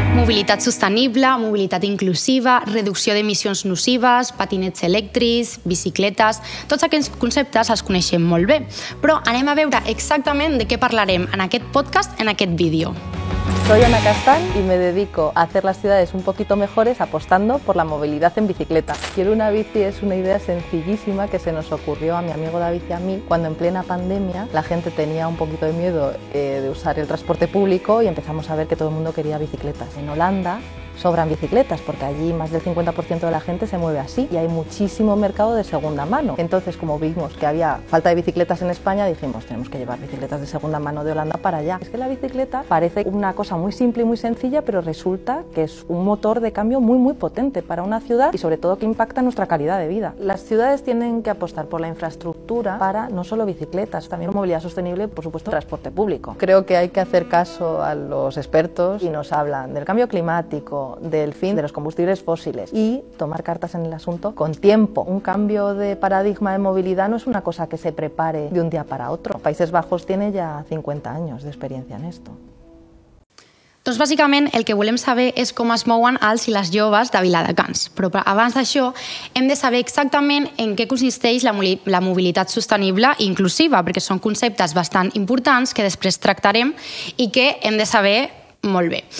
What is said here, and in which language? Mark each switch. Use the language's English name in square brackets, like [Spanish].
[Catalan] Mobilitat sostenible, mobilitat inclusiva, reducció d'emissions nocives, patinets elèctrics, bicicletes... Tots aquests conceptes els coneixem molt bé. Però anem a veure exactament de què parlarem en aquest podcast, en aquest vídeo. [Spanish] Soy Ana Castán y me dedico a hacer las ciudades un poquito mejores apostando por la movilidad en bicicleta. Quiero una bici es una idea sencillísima que se nos ocurrió a mi amigo David y a mí cuando en plena pandemia la gente tenía un poquito de miedo de usar el transporte público y empezamos a ver que todo el mundo quería bicicletas. En Holanda sobran bicicletas porque allí más del 50% de la gente se mueve así y hay muchísimo mercado de segunda mano. Entonces, como vimos que había falta de bicicletas en España, dijimos, tenemos que llevar bicicletas de segunda mano de Holanda para allá. Es que la bicicleta parece una cosa muy simple y muy sencilla, pero resulta que es un motor de cambio muy, muy potente para una ciudad y sobre todo que impacta nuestra calidad de vida. Las ciudades tienen que apostar por la infraestructura para no solo bicicletas, también movilidad sostenible, por supuesto, transporte público. Creo que hay que hacer caso a los expertos y nos hablan del cambio climático, del fin de los combustibles fósiles y tomar cartas en el asunto con tiempo. Un cambio de paradigma de movilidad no es una cosa que se prepare de un día para otro. Países Bajos tiene ya 50 años de experiencia en esto. [Catalan] Doncs bàsicament el que volem saber és com es mouen els i les joves de Viladecans. Però abans d'això hem de saber exactament en què consisteix la mobilitat sostenible i inclusiva, perquè són conceptes bastant importants que després tractarem i que hem de saber molt bé.